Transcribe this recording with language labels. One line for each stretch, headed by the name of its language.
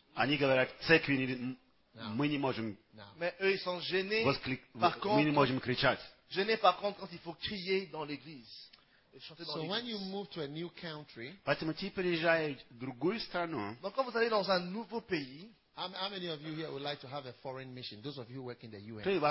Russian: Они говорят, церкви мы не можем.
French: Mais eux, ils sont gênés.
Russian: Мы не можем кричать.
French: Gênés par contre quand il faut crier dans l'église.
English: So when you move to a new country,
French: donc quand vous allez dans un nouveau pays,
English: how many of you here would like to have a foreign mission? Those of you who work in the UN.